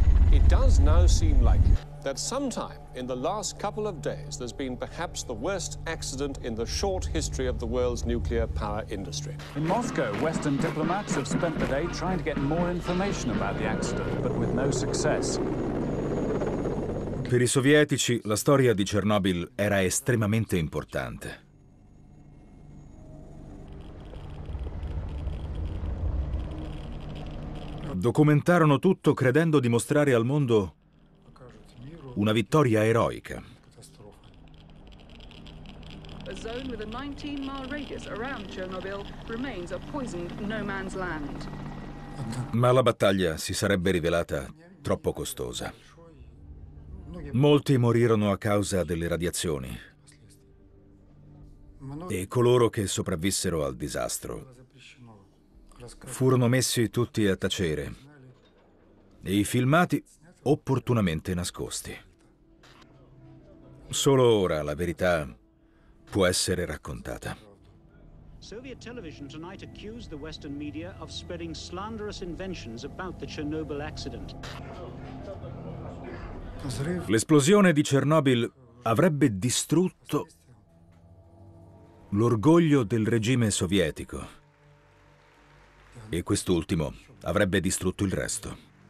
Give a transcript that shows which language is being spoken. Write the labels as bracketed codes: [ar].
[en] It does now seem like that sometime in the last couple of days there's been perhaps the worst accident in the short history of the world's nuclear power industry. In Moscow, Western diplomats have spent the day trying to get more information about the accident, but with no success. [it] Per i sovietici, la storia di Chernobyl era estremamente importante. Documentarono tutto credendo di mostrare al mondo una vittoria eroica. [en] A zone with a 19-mile radius around Chernobyl remains a poisoned no man's land. [it] Ma la battaglia si sarebbe rivelata troppo costosa. Molti morirono a causa delle radiazioni. E coloro che sopravvissero al disastro furono messi tutti a tacere e i filmati opportunamente nascosti. Solo ora la verità può essere raccontata. [en] Soviet television tonight accused the Western media of spreading slanderous inventions about the Chernobyl accident. [it] L'esplosione di Chernobyl avrebbe distrutto l'orgoglio del regime sovietico e quest'ultimo avrebbe distrutto il resto.